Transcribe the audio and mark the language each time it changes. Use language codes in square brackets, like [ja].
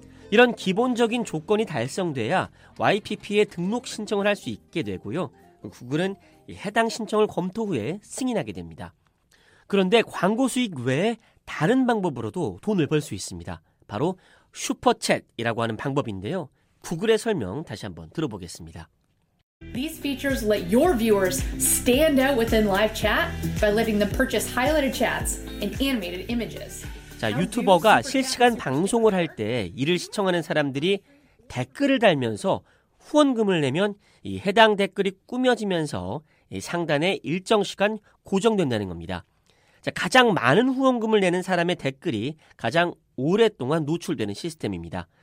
[ko] 이런 기본적인 조건이 달성돼야 YPP에 등록 신청을 할 수 있게 되고요. 구글은 해당 신청을 검토 후에 승인하게 됩니다. 그런데 광고 수익 외에 다른 방법으로도 돈을 벌 수 있습니다. 바로 슈퍼챗이라고 하는 방법인데요. 구글의 설명 다시 한번 들어보겠습니다. [en] These features let your viewers stand out within live chat by letting them purchase highlighted chats and animated images. [ko] 자, 유튜버가 실시간 방송을 할 때 이를 시청하는 사람들이 댓글을 달면서 후원금을 내면 이 해당 댓글이 꾸며지면서 이 상단에 일정 시간 고정된다는 겁니다. 자, 가장 많은 후원금을 내는 사람의 댓글이 가장 오랫동안 노출되는 시스템입니다.